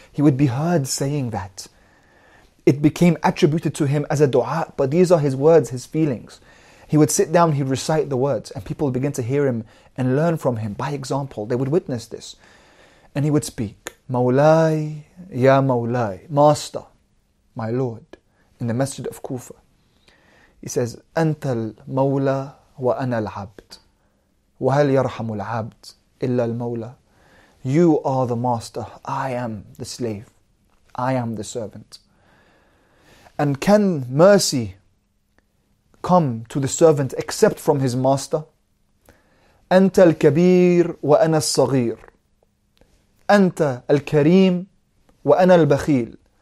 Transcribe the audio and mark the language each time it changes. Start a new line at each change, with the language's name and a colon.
English: He would be heard saying that. It became attributed to him as a dua, but these are his words, his feelings. He would sit down, he'd recite the words, and people would begin to hear him and learn from him by example. They would witness this. And he would speak, Mawlai, Ya Mawlai, Master, my Lord, in the Masjid of Kufa. He says,
Arabic: أَنْتَ الْمَوْلَى وَأَنَا الْعَبْدِ وَهَلْ يَرْحَمُ الْعَبْدِ إِلَّا الْمَوْلَى.
English: You are the master, I am the slave, I am the servant. And can mercy come to the servant except from his master?
Arabic: أَنْتَ الْكَبِيرُ وَأَنَا الصَّغِيرُ أَنْتَ الْكَرِيمُ وَأَنَا الْبَخِيلُ.